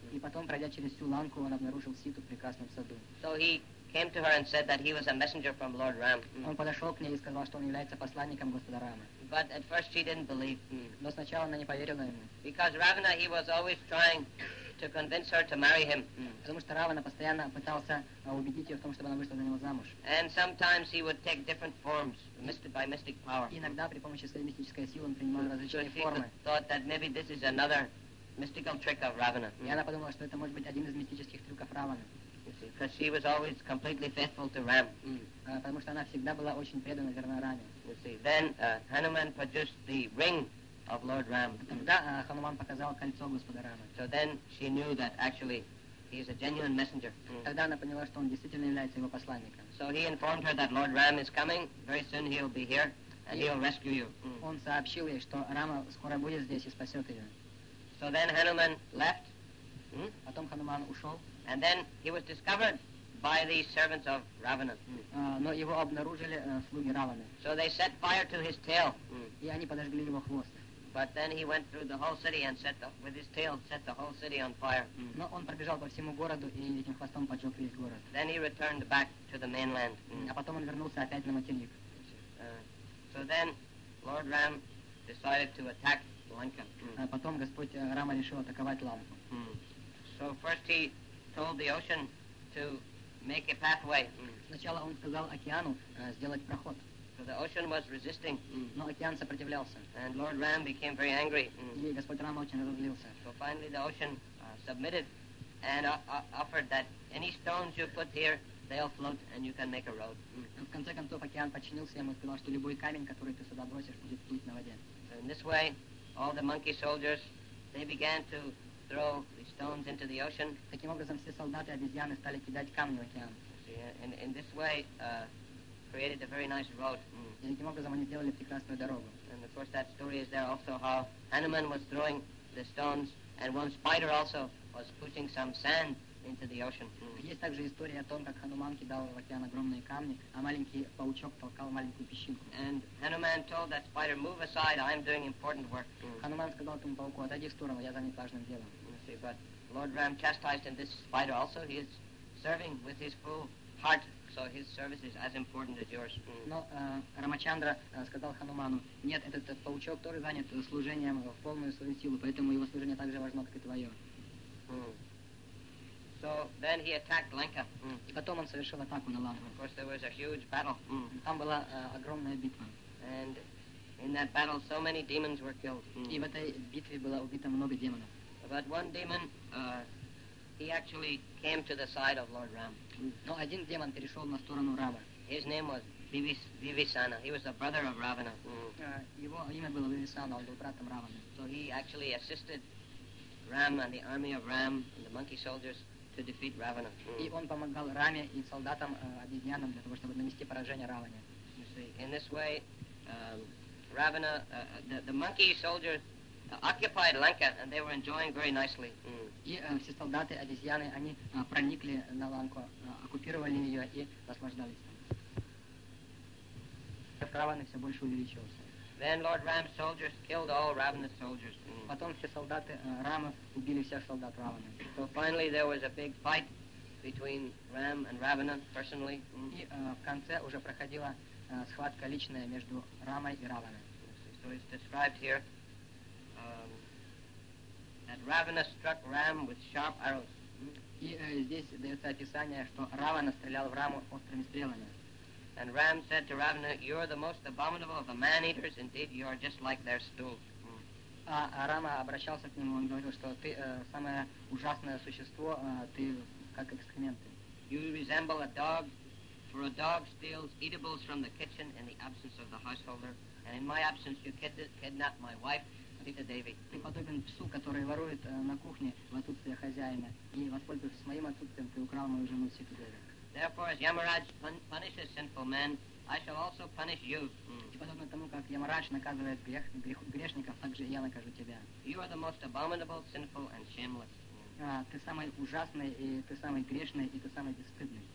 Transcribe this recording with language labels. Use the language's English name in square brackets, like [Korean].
[Russian] И потом, пройдя через всю Ланку, он обнаружил Ситу в прекрасном саду. [English] So he came to her and said that he was a messenger from Lord Ram. [Russian] Он подошел к ней и сказал, что он является посланником Господа Рамы. [English] But at first she didn't believe. [Russian] Но сначала она не поверила ему. [English] Because Ravana, he was always trying to convince her to marry him. [Russian] Потому что Равана постоянно пытался убедить ее в том, чтобы она вышла за него замуж. [English] And sometimes he would take different forms, by mystic power. [Russian] Иногда при помощи своей мистической силы он принимал различные формы. [English] So she thought that maybe this is another mystical trick of Ravana. [Russian] И она подумала, что это может быть один из мистических трюков Равана. [English] Because she was always completely faithful to Ram. [Russian] Потому что она всегда была очень предана верна Раме. [English] Then Hanuman produced the ring of Lord Ram. [Russian] Тогда Хануман показал кольцо Господа Рамы. [English] So then she knew that actually he is a genuine messenger. [Russian] Тогда она поняла, что он действительно является его посланником. [English] So he informed her that Lord Ram is coming. Very soon he'll be here and he'll rescue you. [Russian] Он сообщил ей, что Рама скоро будет здесь и спасет ее. [English] So then Hanuman left. [Russian] Потом Хануман ушел. [English] And then he was discovered by the servants of Ravana. [Russian] Но его обнаружили слуги Раваны. [English] So they set fire to his tail. [Russian] И они подожгли его хвост. [English] But then he went through the whole city and set the whole city on fire. [Russian] Но он пробежал по всему городу и этим хвостом поджег весь город. [English] Then he returned back to the mainland. [Russian] А потом он вернулся опять на материк. [English] So then Lord Ram decided to attack Lanka. [Russian] Потом Господь Рама решил атаковать Ланку. [English] So first he told the ocean to make a pathway. [Russian] Сначала он сказал океану сделать проход. [English] So the ocean was resisting. [Russian] Но океан сопротивлялся. [English] And Lord Ram became very angry. [Russian] И Господь Рама очень разозлился. [English] So finally the ocean submitted and offered that any stones you put here, they'll float and you can make a road. [Russian] В конце концов океан подчинился ему и сказал, что любой камень, который ты сюда бросишь, будет плыть на воде. [English] So in this way, all the monkey soldiers, they began to throw the stones into the ocean. [Russian] Таким образом, все солдаты обезьяны стали кидать камни в океан. [English] In this way, created a very nice road. [Russian] И таким образом они сделали прекрасную дорогу. [English] And of course, that story is there also how Hanuman was throwing the stones, and one spider also was pushing some sand into the ocean. [Russian] Есть также история о том, как Хануман кидал в океан огромные камни, а маленький паучок толкал маленькую песчинку. [English] And Hanuman told that spider, "Move aside, I am doing important work." [Russian] Хануман сказал этому пауку, отойди в сторону, я занят важным делом. [English] But Lord Ram chastised this spider also. He is serving with his full heart, so his service is as important as yours. [Russian] Но Рамачандра сказал Хануману, нет, этот паучок тоже занят служением в полную свою силу, поэтому его служение так же важно, как и твое. [English] So then he attacked Lanka. [Russian] И потом он совершил атаку на Ланку. [English] Of course, there was a huge battle. [Russian] Там была огромная битва. [English] And in that battle, so many demons were killed. [Russian] И в этой битве было убито много демонов. [English] But one demon, he actually came to the side of Lord Ram. [Russian] Но один демон перешел на сторону Рама. [English] His name was Vivisana. He was the brother of Ravana. [Russian] Его имя было Вивисана, он был братом Равана. [English] So he actually assisted Ram and the army of Ram and the monkey soldiers to defeat Ravana. [Russian] И он помогал Раме и солдатам обезьянам для того, чтобы нанести поражение Раване. [English] In this way, Ravana, the monkey soldiers occupied Lanka and they were enjoying very nicely. [Russian] И все солдаты обезьяны они проникли на Ланку, оккупировали ее и наслаждались там. Раваны все больше увеличивался. [English] Then Lord Ram's soldiers killed all Ravana's soldiers. [Russian] Потом все солдаты Рама убили всех солдат Раваны. [English] So finally there was a big fight between Ram and Ravana personally. [Russian] И в конце уже проходила схватка личная между Рамой и Раваной. [English] So it's described here that Ravana struck Ram with sharp arrows. [Russian] И здесь дается описание, что Равана стрелял в Раму острыми стрелами. [English] And Ram said to Ravana, "You're the most abominable of the man-eaters. Indeed, you are just like their stool." [Russian] А Рама обращался к нему, он говорил, что ты самое ужасное существо, ты как экскременты. [English] You resemble a dog, for a dog steals eatables from the kitchen in the absence of the householder, and in my absence you kidnap my wife, Sita Devi. [Russian] Ты подобен псу, который ворует на кухне в отсутствие хозяина, и воспользовавшись моим отсутствием, ты украл мою жену Sita Devi. [English] Therefore, as Yamaraj punishes sinful men, I shall also punish you. [Russian] И подобно тому, как Ямарадж наказывает грешников, так же я накажу тебя. [English] You are the most abominable, sinful, and shameless. [Russian] Ты самый ужасный, и ты самый грешный, и ты самый бесстыдный.